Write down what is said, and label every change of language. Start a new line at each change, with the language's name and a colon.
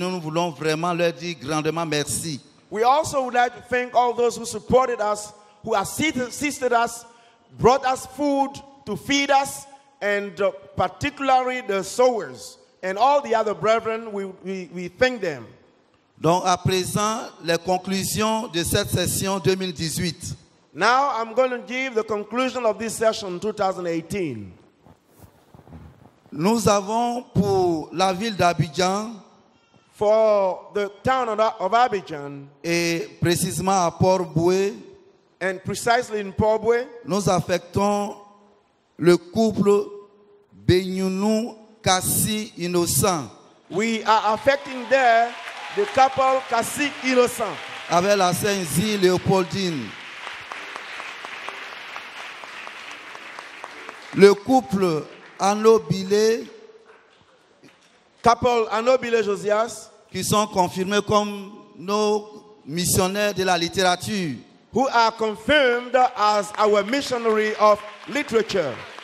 French: Nous voulons vraiment leur dire grandement merci.
English: We also would like to thank all those who supported us, who assisted us, brought us food to feed us, and particularly the sowers and all the other brethren, we thank them.
French: Donc à présent, les conclusions de cette session 2018.
English: Now I'm going to give the conclusion of this session 2018.
French: Nous avons pour la ville d'Abidjan,
English: for the town of Abidjan,
French: et précisément à Port Boué,
English: and precisely in Port Boué,
French: nous affectons le couple Benyounou Kassi Innocent.
English: We are affecting there the couple Kassi Innocent.
French: Avec la Saint-Zie Léopoldine. Le couple Anobile. Couple Anobile Josias. Qui sont confirmés comme nos missionnaires de la littérature.
English: Who are confirmed as our missionary of literature.